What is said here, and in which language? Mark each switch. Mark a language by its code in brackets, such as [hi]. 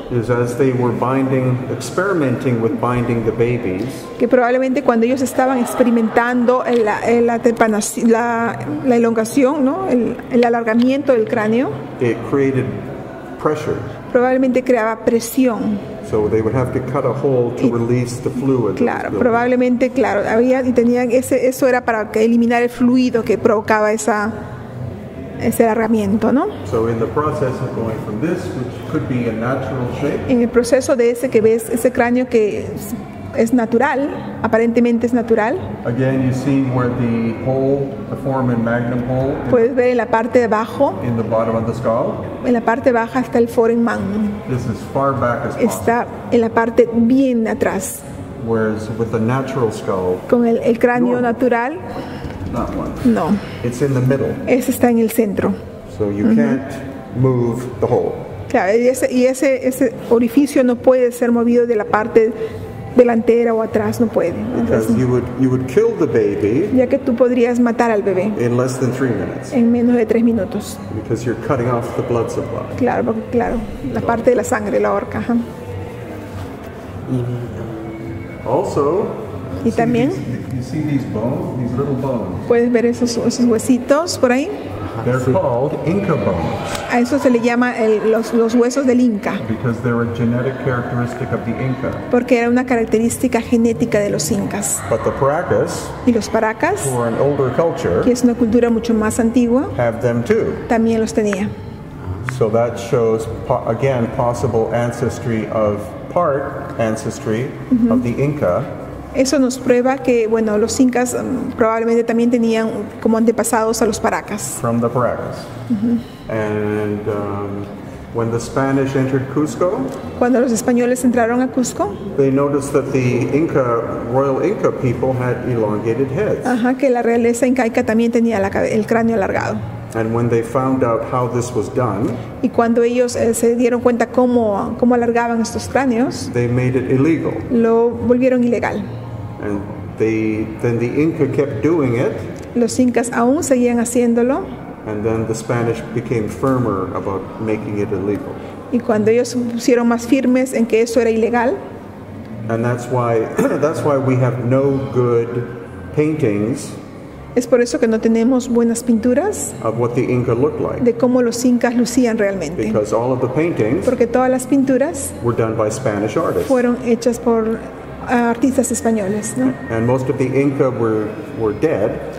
[en] Is as they were experimenting with binding the babies. [es] Que probablemente cuando ellos estaban experimentando la elongación, ¿no? El alargamiento del cráneo. [en] It created pressure. [es] Probablemente creaba presión. [en] So they would have to cut a hole to release the fluid. [es] Claro, probablemente, claro, había y tenían ese, eso era para eliminar el fluido que provocaba esa. Ese herramienta, ¿no? [en] So in the process of going from this, which could be a natural shape. [es] En el proceso de ese que ves, ese cráneo que es natural, aparentemente es natural. [en] Again, you see where the hole, the foramen magnum hole. [es] Puedes ver en la parte de abajo. [en] In the bottom of the skull. [es] En la parte baja está el foramen magnum. [en] This is far back as possible. [es] Está en la parte bien atrás. [en] Whereas with a natural skull, [es] con el cráneo normal, natural, [en] not one. [es] No. [en] It's in the middle. [es] Ese está en el centro. [en] So you can't move the hole. [es] Claro, y ese orificio no puede ser movido de la parte delantera o atrás, no puede. [en] Because you would kill the baby, [es] ya que tú podrías matar al bebé [en] in less than 3 minutes. [es] En menos de 3 minutos. [en] Because you're cutting off the blood supply. [es] Claro, porque claro, la parte de la sangre, la aorta. [en] Also, [es] y también, [en] you see these bones, these little bones. [es] ¿Puedes ver esos huesitos por ahí? [en] They're called Inca bones. [es] A eso se le llama los huesos del Inca. [en] Because they're a genetic characteristic of the Inca. [es] Porque era una característica genética de los Incas. [en] But the Paracas, [es] y los Paracas, [en] who are an older culture, [es] que es una cultura mucho más antigua, [en] have them too. [es] También los tenía. [en] So that shows, again, possible ancestry of part ancestry of the Inca. [es] Eso nos prueba que, bueno, los Incas probablemente también tenían como antepasados a los Paracas. [en] From the Paracas. Uh-huh. And when the Spanish entered Cusco, [es] cuando los españoles entraron a Cusco, [en] they noticed that the Inca, royal Inca people had elongated heads. [es] Ajá, que la realeza incaica también tenía el cráneo alargado. [en] And when they found out how this was done, [es] y cuando ellos se dieron cuenta cómo alargaban estos cráneos, [en] they made it illegal. [es] Lo volvieron ilegal. [en] And then the Inca kept doing it. [es] Los incas aún seguían haciéndolo. [en] And then the Spanish became firmer about making it illegal. [es] Y cuando ellos se pusieron más firmes en que eso era ilegal. [en] And that's why we have no good paintings. [es] Es por eso que no tenemos buenas pinturas [en] of what the Inca looked like. [es] De cómo los incas lucían realmente. [en] Because all of the paintings, [es] porque todas las pinturas, [en] were done by Spanish artists. [es] Fueron hechas por artistas españoles, ¿no? [en] And most of the Inca were dead.